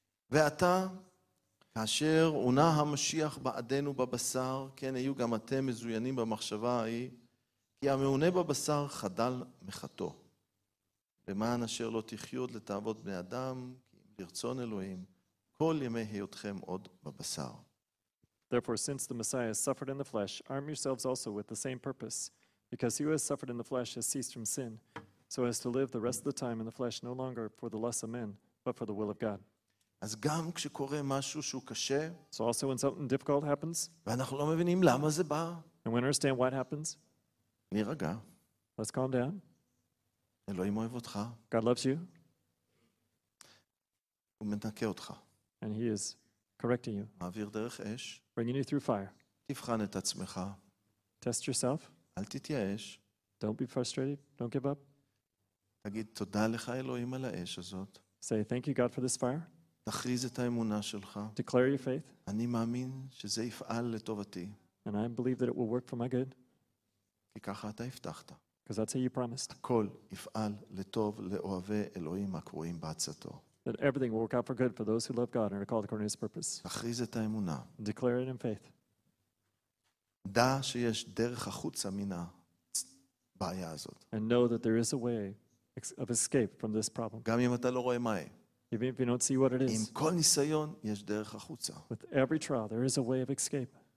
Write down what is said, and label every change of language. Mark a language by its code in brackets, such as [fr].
[he] ואתה, כאשר עונה המשיח בעדנו בבשר, כן, היו גם אתם מזוינים במחשבה ההיא, כי המעונה בבשר חדל מחתו. למען אשר לא תחיו עוד לתאוות בני אדם, לרצון אלוהים, כל ימי היותכם עוד בבשר. [en] Therefore, since the Messiah has suffered in the flesh, arm yourselves also with the same purpose, because he who has suffered in the flesh has ceased from sin, so as to live the rest of the time in the flesh no longer for the lust of men, but for the will of God. [he] אז גם כשקורה משהו שהוא קשה, [en] so also when something difficult happens, [he] ואנחנו לא מבינים למה זה בא, [en] and we understand what happens, [he] נרגע. [en] Let's calm down. [he] אלוהים אוהב אותך. [en] God loves you. [he] הוא מנקה אותך. [en] And he is correcting you. [he] מעביר דרך אש. [en] Bringing you through fire. [he] תבחן את עצמך. [en] Test yourself. [he] אל תתייאש. [en] Don't be frustrated. Don't give up. [he] תגיד תודה לך אלוהים על האש הזאת. [en] Say thank you God for this fire. [he] תכריז את האמונה שלך. [en] Declare your faith. [he] אני מאמין שזה יפעל לטובתי. [en] And I believe that it will work for my good. [he] כי ככה אתה הבטחת. [en] Because that's how you promised. [he] הכל יפעל לטוב לאוהבי אלוהים הקרויים בעצתו. [en] That everything will work out for good for those who love God and are called according to his purpose. [he] תכריז את האמונה. [en] Declare it in faith. [he] דע שיש דרך החוצה מן הבעיה הזאת. [en] And know that there is a way of escape from this problem. [he] גם אם אתה לא רואה מה. [en] Even if you don't see what it is. [he] עם כל ניסיון יש דרך החוצה. [en] With every trial there is a way of escape.